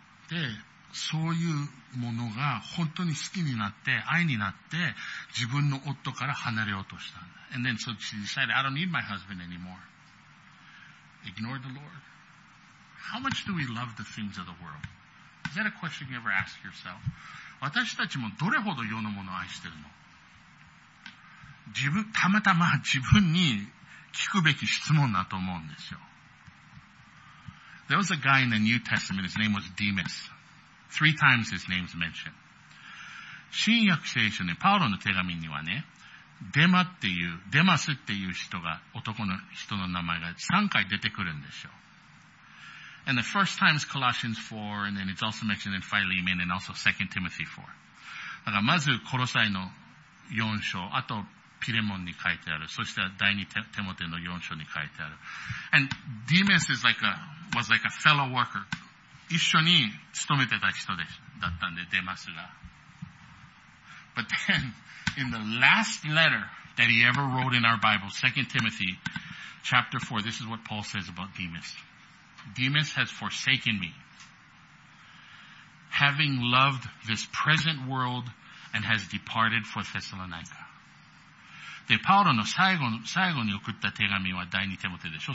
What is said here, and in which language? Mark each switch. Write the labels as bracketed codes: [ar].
[ja] で、そういうものが本当に好きになって、愛になって、自分の夫から離れようとしたんだ。 [en] And then so she decided, I don't need my husband anymore. Ignore the Lord. How much do we love the things of the world? Is that a question you ever ask yourself? [ja] 私たちもどれほど世のものを愛してるの？たまたま自分に聞くべき質問だと思うんですよ。 [en] There was a guy in the New Testament, his name was Demas. Three times his name's mentioned. [ja] 新約聖書ね、パウロの手紙にはね、デマスっていう人が、男の人の名前が3回出てくるんですよ。 [en] And the first time is Colossians 4, and then it's also mentioned in Philemon, and also 2 Timothy 4. [ja] だからまずコロサイの4章、あと、ピレモンに書いてある。そして第二テモテの四章に書いてある。 [en] And Demas was like a fellow worker. [ja] 一緒に勤めてた人 で, だったんで、デマスが。 [en] But then, in the last letter that he ever wrote in our Bible, 2 Timothy chapter 4, this is what Paul says about Demas. Demas has forsaken me, having loved this present world and has departed for Thessalonica. [ja] で、パウロの最後に送った手紙は第二テモテでしょ。